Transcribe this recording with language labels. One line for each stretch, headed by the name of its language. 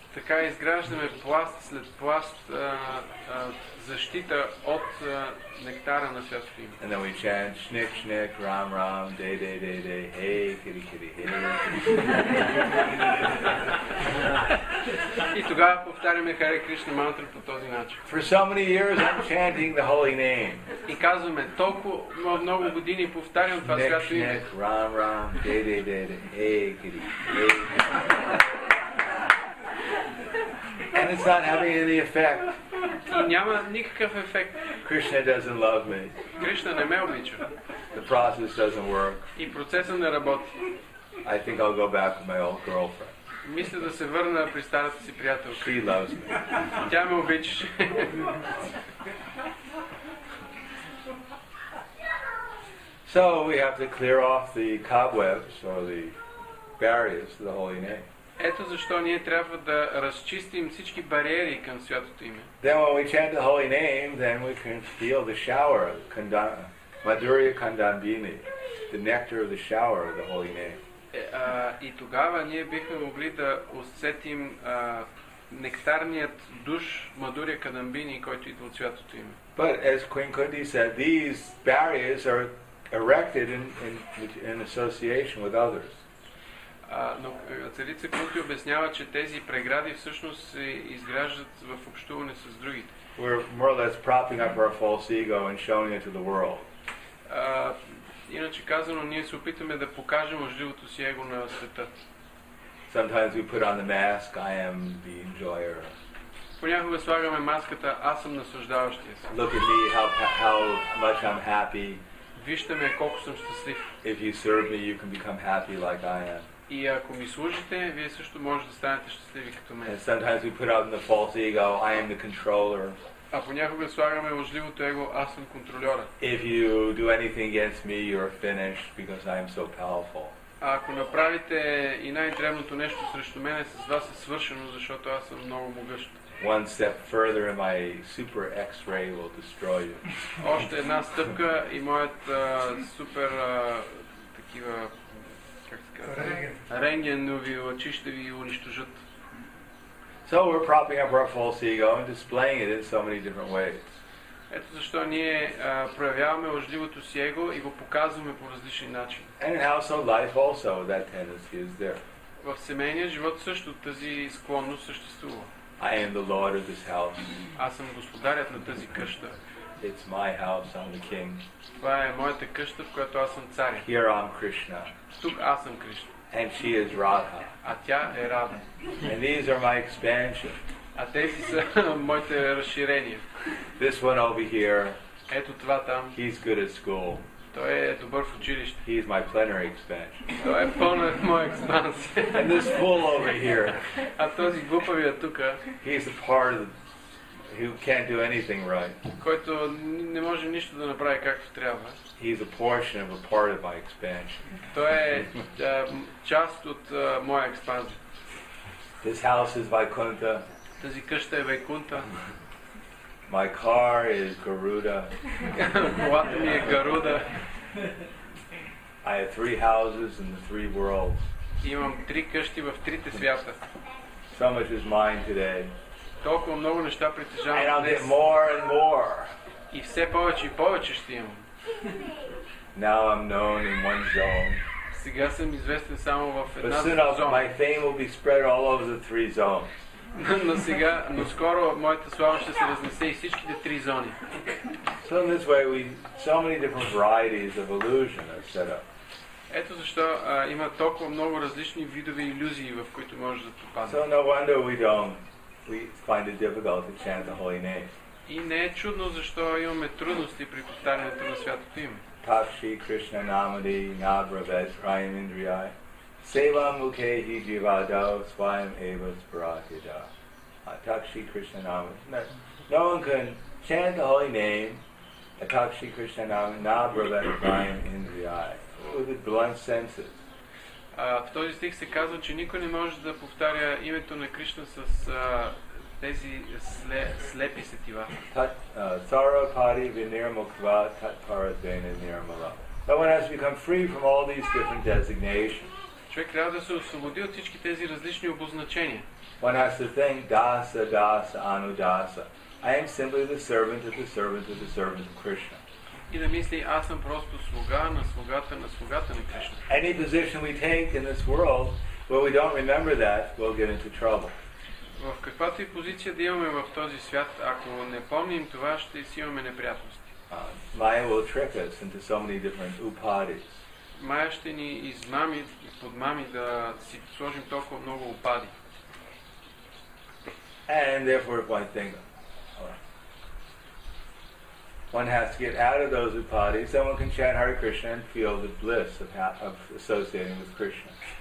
Bulgarian: Така изграждаме пласт след пласт защита от нектара на Святото име.
English: And then we chant Shnik Shnik Ram Ram Day Day Day Day Hey Kitty Kitty Hey.
Bulgarian: И тогава повтаряме Харе Кришна мантра по този начин.
English: For so many years I'm chanting the holy name.
Bulgarian: И казваме толкова много години повтарям това Святото име. Shnik Shnik Ram Ram Day Day Day Day Hey Kitty Kitty Hey.
English: And it's not having any effect.
Bulgarian: Няма никакъв ефект.
English: Krishna doesn't love me.
Bulgarian: Кришна не ме обича.
English: The process doesn't work.
Bulgarian: И процесът не работи.
English: I think I'll go back with my old girlfriend.
Bulgarian: Мисля да се върна при старата си приятелка.
English: She loves me.
Bulgarian: Тя ме обича.
English: So we have to clear off the cobwebs or the barriers to the holy name.
Bulgarian: Ето защо ние трябва да разчистим всички бариери към Святото име.
English: Then when we chant the holy name, then we can feel the shower, Madhurya Kandambini, the nectar of the shower of the holy name.
Bulgarian: И тогава ние бихме могли да усетим нектарният душ, Madhurya Kandambini, който идва от Святото име.
English: But as Queen Kunti said, these barriers are erected in association with others.
Bulgarian: Но царица Кунти обяснява, че тези прегради всъщност се изграждат в общуване с другите.
English: We're more or less propping up our false ego and showing it to the world.
Bulgarian: Иначе казано, ние се опитваме да покажем лъжливото си его на света.
English: Sometimes we put on the mask, I am the enjoyer.
Bulgarian: Понякога слагаме маската аз съм наслаждаващия се.
English: Look at me, how much I'm happy.
Bulgarian: Вижте ме колко съм щастлив.
English: If you serve me, you can become happy like I am.
Bulgarian: И ако ми служите, вие също можете да станете щастливи като мен.
English: And sometimes we put out in the false ego, I am the controller.
Bulgarian: А понякога слагаме лъжливото его, аз съм контрольора.
English: If you do anything against me, you're finished because I am so powerful.
Bulgarian: А ако направите и най-древното нещо срещу мене, с вас е свършено, защото аз съм много могъщ.
English: One step further and my super x-ray will destroy you.
Bulgarian: Още една стъпка и моят супер такива, как се казва? Рентгенови лъчи ще ви унищожат.
English: So we're propping up our false ego and displaying it in so many different ways.
Bulgarian: Ето защо ние проявяваме лъжливото си его и го показваме по различни начини.
English: And in household life also that tendency is there.
Bulgarian: В семейния живот също тази склонност съществува.
English: I am the lord of this house.
Bulgarian: Аз съм господарят на тази къща.
English: It's my house, I'm the king.
Bulgarian: Това е моята къща, в която аз съм цар.
English: Here I'm Krishna.
Bulgarian: Тук аз съм Кришна.
English: And she is Radha.
Bulgarian: А тя е Радха.
English: And these are my expansion.
Bulgarian: А тези са моите разширения.
English: This one over here.
Bulgarian: Ето това там.
English: He's good at school.
Bulgarian: Той е добър в училище.
English: He is my plenary expansion.
Bulgarian: Той е пълна моя експансия.
English: And this fool over here.
Bulgarian: А този глупавия тука.
English: He is a part of the, who can't do anything right.
Bulgarian: Който не може нищо да направи както трябва.
English: He is a portion of a part of my expansion.
Bulgarian: Той е част от моя експансия.
English: This house is Vaikuntha.
Bulgarian: Тази къща е Вайкунта.
English: My car is Garuda. What is my Garuda? I have three houses in the three worlds.
Bulgarian: Имам три къщи в трите свята.
English: So much is mine today.
Bulgarian: Толкова много неща притежавам.
English: And I'll get more and more.
Bulgarian: И все повече и повече ще имам.
English: Now I'm known in one zone.
Bulgarian: Сега съм известен само в една зона.
English: But soon my fame will be spread all over the three zones.
Bulgarian: Но сега, но скоро моята слава ще се разнесе и всичките три зони.
English: So in this way, so many different varieties of illusion are set up.
Bulgarian: Ето защо има толкова много различни видове иллюзии, в които може да попадне.
English: So no wonder we find it difficult to chant the holy name.
Bulgarian: И не е чудно защо имаме трудности при повтарянето на святото име. Takshi Krishna Namadi Nabravet Prayam Indriyai Sevam Mukhehi Jivadav Swayam Evas Parahida Atakshi Krishna Namadi.
English: No one can chant the holy name Atakshi Krishna Namadi Nabravet Prayam Indriyai with blunt senses.
Bulgarian: В този стих се казва, че никой не може да повтаря името на Кришна с тези слепи сетива. Tsaropati Vinirmukva Tatparadvena Nirmala.
English: Someone has become free from all these different designations.
Bulgarian: Човек трябва да се освободи от всички тези различни обозначения.
English: One has to think dasa, dasa, anudasa. I am simply the servant of the servant of the servant of Krishna.
Bulgarian: И да мисли, аз съм просто слуга на слугата на слугата на Кришна.
English: Any position we take in this world where we don't remember that, we'll get into trouble.
Bulgarian: В каквато и позиция да имаме в този свят, ако не помним това, ще си имаме неприятности.
English: Maya will trick us into so many different upadis.
Bulgarian: Maya ще ни измами, подмами да си сложим толкова много упади.
English: And therefore one thing. One has to get out of those upadis, then one can chant Hare Krishna and feel the bliss of associating with Krishna.